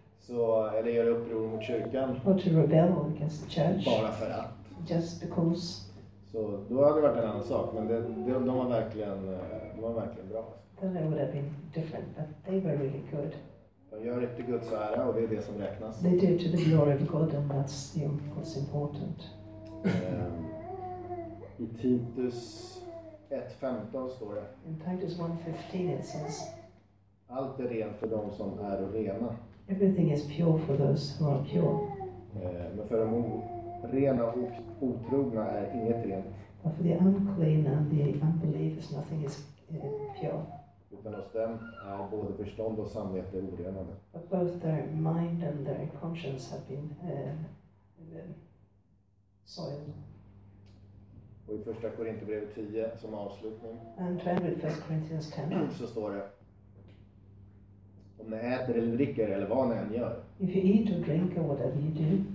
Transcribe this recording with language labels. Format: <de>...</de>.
<sv>Så eller göra uppror mot kyrkan.</sv> <en>Or to rebel against the church.</en> <sv>Bara för att.</sv> <en>Just because.</en> <sv>Så då hade det varit en annan sak, men de var verkligen bra.</sv> <en>Then it would have been different, but they were really good.</en> <sv>De gör det till Guds ära och det är det som räknas.</sv> <en>They do to the glory of God and that's what's important.</en> <sv>I Titus 1:15 står det.</sv> <en>In Titus 1:15 it says.</en> <sv>Allt är rent för dem som är rena.</sv> <en>Everything is pure for those who are pure.</en> <sv>Men för de orena och otrogna är inget rent.</sv> <en>But for the unclean and the unbelievers nothing is pure.</en> <sv>Utan hos dem är både förstånd och samvete orenade.</sv> <en>But both their mind and their conscience have been soiled.</en> <sv>Och i första Korinthierbrevet 10 som avslutning.</sv> <en>And with 1 Corinthians 10.</en> <sv>Så står det. Om ni äter eller dricker eller vad ni än gör.</sv> <en>If you eat or drink or whatever you do.</en>